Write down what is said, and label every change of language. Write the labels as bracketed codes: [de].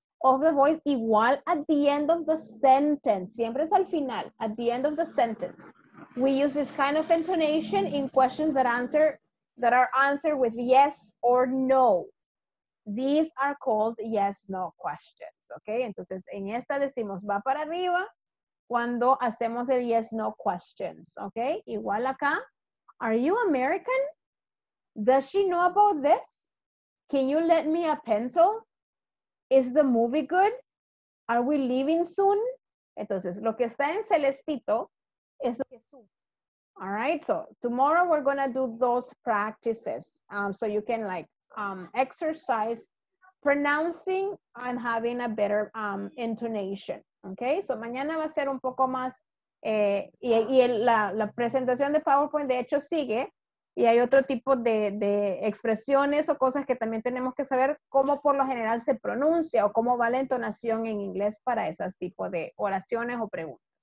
[en] Of the voice, igual at the end of the sentence. [es] Siempre es al final, [en] at the end of the sentence. We use this kind of intonation in questions that are answered with yes or no. These are called yes, no questions. [es] Okay, entonces en esta decimos va para arriba cuando hacemos el yes, no questions. [en] Okay, [es] igual acá. [en] Are you American? Does she know about this? Can you lend me a pencil? Is the movie good? Are we leaving soon? [es] Entonces, lo que está en celestito es lo que tú. [en] All right, so tomorrow we're going to do those practices. So you can like exercise pronouncing and having a better intonation. [es] Okay, so mañana va a ser un poco más. La presentación de PowerPoint de hecho sigue. Y hay otro tipo de expresiones o cosas que también tenemos que saber cómo por lo general se pronuncia o cómo va la entonación en inglés para esos tipos de oraciones o preguntas.